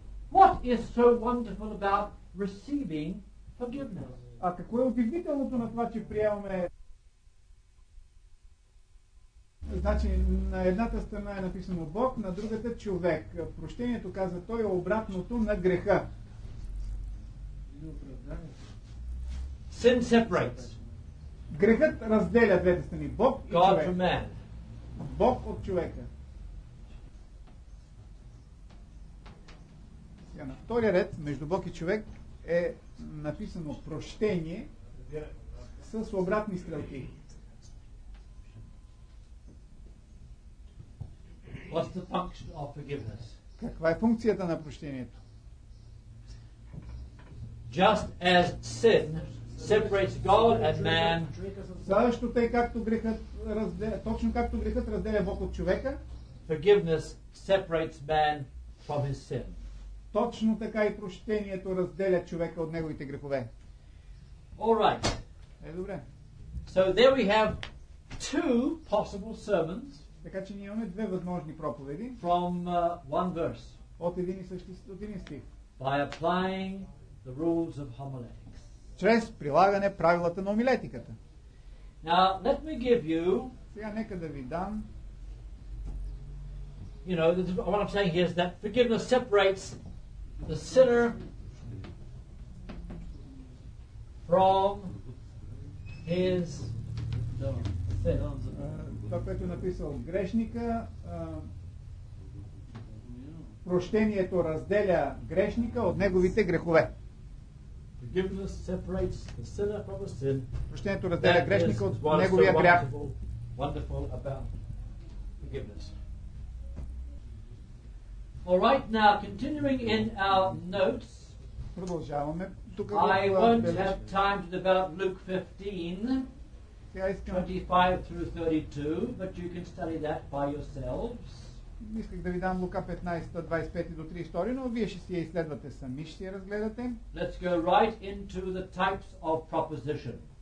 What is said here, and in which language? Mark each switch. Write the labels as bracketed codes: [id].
[en] What is so wonderful about receiving forgiveness? [bg] А какво е удивителното на това, че приемаме... Значи, на едната страна е написано Бог, на другата човек. Прощението, каза той, е обратното на греха. [en] Sin separates. [bg] Грехът разделя двете страни. Бог и [en] God [bg] човек. [en] From man. [bg] Бог от човека. Сега на втория ред, между Бог и човек, е написано прощение с обратни стрелки. [en] What's the function of forgiveness? [bg] Каква е функцията на прощението? [en] Just as sin separates God and man, [bg] също тъй както грехът разделя, точно както грехът разделя Бог от човека, [en] forgiveness separates man from his sin. [bg] Точно така и прощението разделя човека от неговите грехове. [en] All right. [bg] Е, добре. [en] So there we have two possible sermons. [bg] Така че ние имаме две възможни проповеди. [en] From one verse. [bg] От един и същи, от един стих. [en] By applying the rules of homiletics. [bg] Чрез прилагане правилата на омилетиката. [en] Now, let me give you... [bg] Сега нека да ви дам... [en] You know, what I'm saying here is that forgiveness separates the sinner from his sin. [bg] Това, което е написал грешника, прощението разделя грешника от неговите грехове. [en] Forgiveness separates the sinner from his sin. [bg] Прощението разделя грешника от неговия грях. [en] Wonderful about forgiveness. All right, now continuing in our notes. [bg] Продължаваме. Тук [en] I won't have time to develop Luke 15, 25 through 32, but you can study that by yourselves. [bg] Исках да ви дам Лука 15, 25 до 32, но вие ще си я изследвате сами, ще я разгледате. [en] Let's go right into the types of proposition.